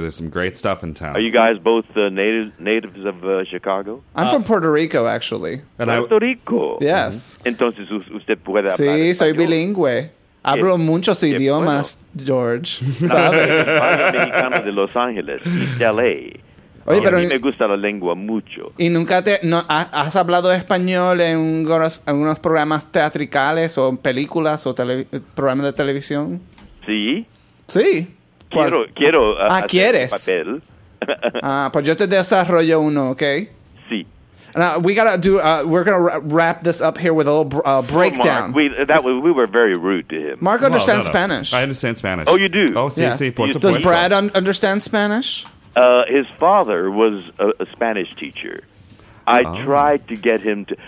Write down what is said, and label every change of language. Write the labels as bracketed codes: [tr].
[en] There's some great stuff in town. Are you guys both natives of Chicago? I'm from Puerto Rico, actually. Puerto Rico? Yes. [es] Entonces usted puede hablar. Sí, soy bilingüe. Hablo muchos idiomas, George. ¿Sabes? Soy mexicano de Los Ángeles y de L.A. Oye, pero a mí me gusta la lengua mucho. ¿Y nunca has hablado español en algunos programas teatricales o películas o programas de televisión? Sí. Sí. Quiero hacer ¿quieres? Papel. Ah, pues yo te desarrollo uno, ¿okay? Sí. [en] Now, we're going to wrap this up here with a little breakdown. Oh, Mark, we were very rude to him. Mark understands Spanish. I understand Spanish. Oh, you do? Oh, sí, yeah. Sí. Does Brad understand Spanish? His father was a Spanish teacher. Tried to get him to...